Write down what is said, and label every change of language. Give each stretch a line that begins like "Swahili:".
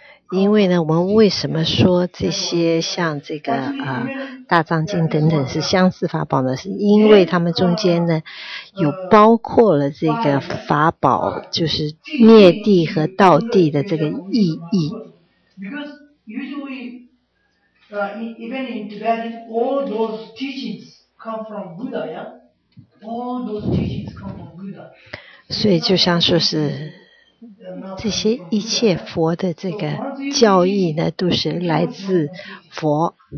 Chinese: 因为呢，我们为什么说这些像这个大藏经等等是相似法宝呢？是因为他们中间呢，有包括了这个法宝，就是灭谛和道谛的这个意义。
English: Because usually, even in Tibetan, all those teachings come from Buddha, yeah? All those teachings come from Buddha.
Chinese: 所以就像说是这些一切佛的这个教义呢，都是来自佛。